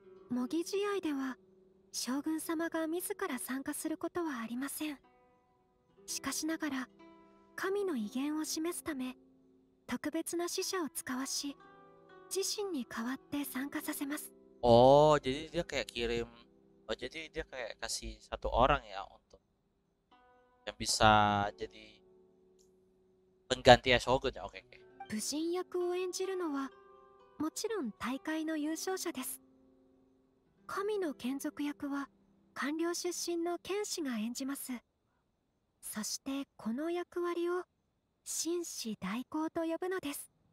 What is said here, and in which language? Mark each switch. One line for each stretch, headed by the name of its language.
Japanese: 模擬試合では将軍様が自ら参加することはありません。しかしながら神の威厳を示すため特別な使者を使わし自身に代わって参加させます。
Indonesian: jadi dia kayak kirim, oh jadi dia kayak kasih satu orang ya untuk yang bisa jadi penggantinya shogun ya, okay.
Japanese: 武神役を演じるのはもちろん大会の優勝者です。神の眷属役は官僚出身の剣士が演じます。そしてこの役割を紳士代行と呼ぶのです。